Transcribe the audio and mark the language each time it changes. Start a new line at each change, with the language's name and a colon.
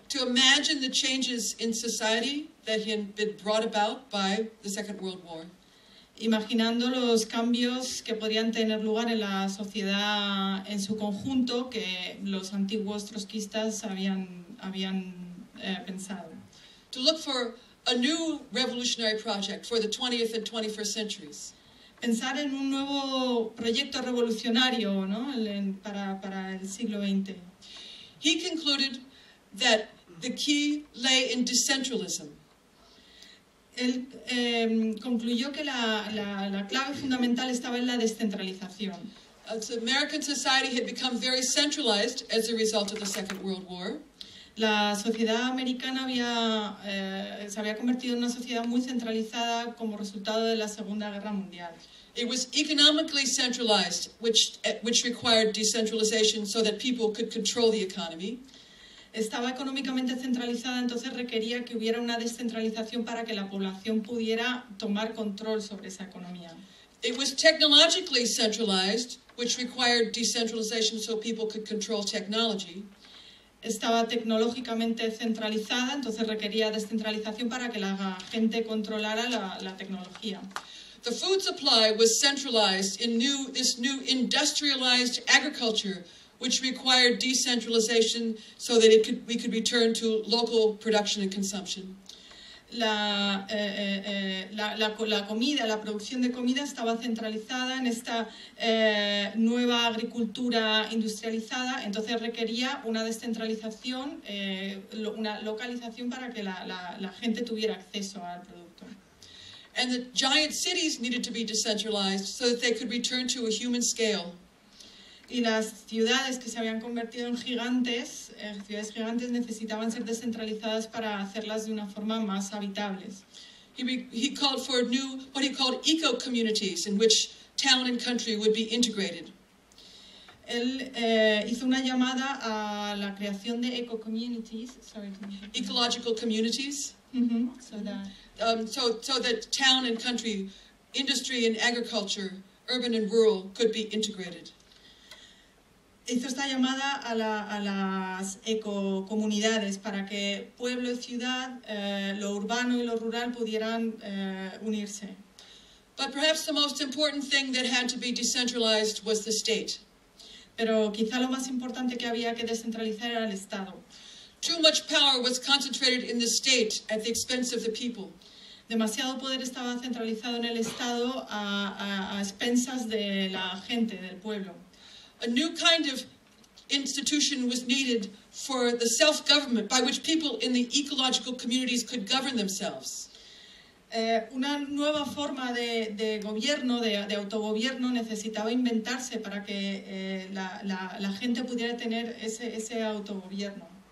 English: To imagine the changes in society that had been brought about by the Second World War.
Spanish: Imaginando los cambios que podrían tener lugar en la sociedad en su conjunto que los antiguos trotskistas habían pensado.
English: To look for a new revolutionary project for the 20th and 21st centuries.
Spanish: Pensar en un nuevo proyecto revolucionario, ¿no? Para el siglo XX.
English: He concluded that the key lay in decentralism.
Spanish: Él concluyó que la clave fundamental estaba en la descentralización.
English: The American society had become very centralized as a result of the Second World War.
Spanish: La sociedad americana se había convertido en una sociedad muy centralizada como resultado de la Segunda Guerra Mundial.
English: It was economically centralized, which required decentralization so that people could control the economy.
Spanish: Estaba económicamente centralizada, entonces requería que hubiera una descentralización para que la población pudiera tomar control sobre esa economía.
English: It was technologically centralized, which required decentralization so people could control technology.
Spanish: Estaba tecnológicamente centralizada, entonces requería descentralización para que la gente controlara la tecnología.
English: The food supply was centralized in this new industrialized agriculture, which required decentralization so that we could return to local production and consumption.
Spanish: la comida, la producción de comida estaba centralizada en esta nueva agricultura industrializada, entonces requería una descentralización, una localización para que la gente tuviera acceso al producto.
English: And the giant cities needed to be decentralized so that they could return to a human scale.
Spanish: Y las ciudades que se habían convertido en gigantes, ciudades gigantes, necesitaban ser descentralizadas para hacerlas de una forma más habitables.
English: He called for new, what he called eco-communities, in which town and country would be integrated.
Spanish: Él hizo una llamada a la creación de eco-communities,
English: ecological communities, so that town and country, industry and agriculture, urban and rural, could be integrated.
Spanish: Hizo esta llamada a las ecocomunidades para que pueblo y ciudad, lo urbano y lo rural pudieran unirse.
English: But perhaps the most important thing that had to be decentralized was the state.
Spanish: Pero quizá lo más importante que había que descentralizar era el Estado.
English: Too much power was concentrated in the state at the expense of the people.
Spanish: Demasiado poder estaba centralizado en el Estado a expensas de la gente, del pueblo.
English: A new kind of institution was needed for the self-government by which people in the ecological communities could govern themselves.
Spanish: Una nueva forma de gobierno, de autogobierno, necesitaba inventarse para que la gente pudiera tener ese autogobierno.